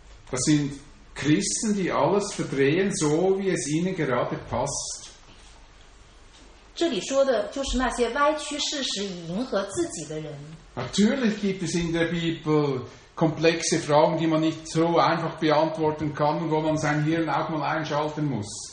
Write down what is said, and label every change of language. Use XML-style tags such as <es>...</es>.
<de>Das sind Christen, die alles verdrehen, so wie es ihnen gerade passt.</de> <zh>这里说的就是那些歪曲事实以迎合自己的人。</zh> <de>Natürlich gibt es in der Bibel komplexe Fragen, die man nicht so einfach beantworten kann und wo man sein Hirn auch mal einschalten muss.</de>